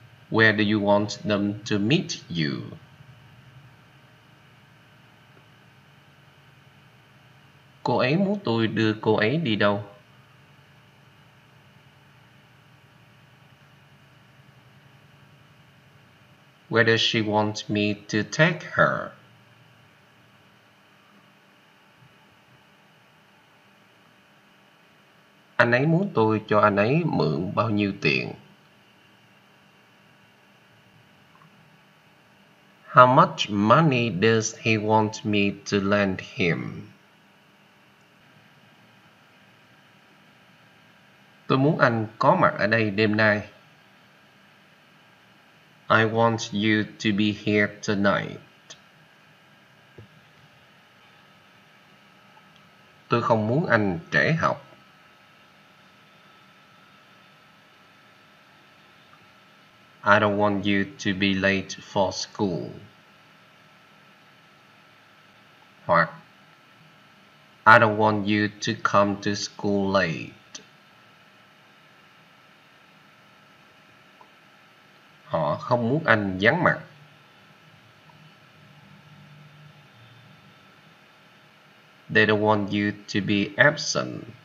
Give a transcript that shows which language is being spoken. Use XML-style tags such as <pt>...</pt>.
<en>Where do you want them to meet you?</en> <vi>Cô ấy muốn tôi đưa cô ấy đi đâu?</vi> <en>Where does she want me to take her?</en> <vi>Anh ấy muốn tôi cho anh ấy mượn bao nhiêu tiền?</vi> <en>How much money does he want me to lend him?</en> <vi>Tôi muốn anh có mặt ở đây đêm nay.</vi> <en>I want you to be here tonight.</en> <vi>Tôi không muốn anh trễ học.</vi> <en>I don't want you to be late for school.</en> <vi>Hoặc,</vi> <en>I don't want you to come to school late.</en> <vi>Họ không muốn anh vắng mặt.</vi> <en>They don't want you to be absent.</en>